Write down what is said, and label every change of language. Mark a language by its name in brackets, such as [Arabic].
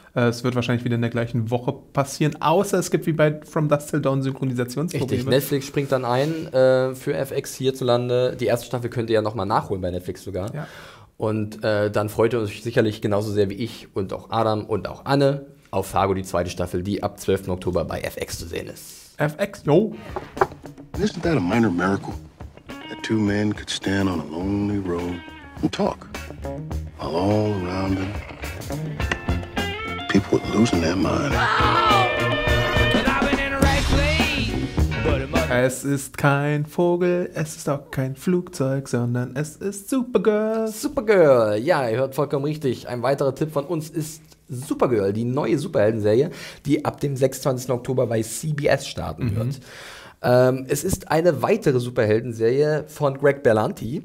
[German] Es wird wahrscheinlich wieder in der gleichen Woche passieren. Außer es gibt wie bei From Dusk Till Dawn Synchronisationsprobleme. Richtig. Netflix springt dann ein für FX hierzulande. Die erste Staffel könnt ihr ja nochmal nachholen bei Netflix sogar. Ja. Und dann freut ihr euch sicherlich genauso sehr wie ich und auch Adam und auch Anne auf Fargo, die zweite Staffel, die ab 12. Oktober bei FX zu sehen ist. [English] FX, yo! Isn't that a minor miracle? That two men could stand on a lonely road and talk while all around them people were losing their mind. [German] Es ist kein Vogel, es ist auch kein Flugzeug, sondern es ist Supergirl. Supergirl, ja, ihr hört vollkommen richtig. Ein weiterer Tipp von uns ist Supergirl, die neue Superhelden-Serie, die ab dem 26. Oktober bei CBS starten wird. Es ist eine weitere Superhelden-Serie von Greg Berlanti.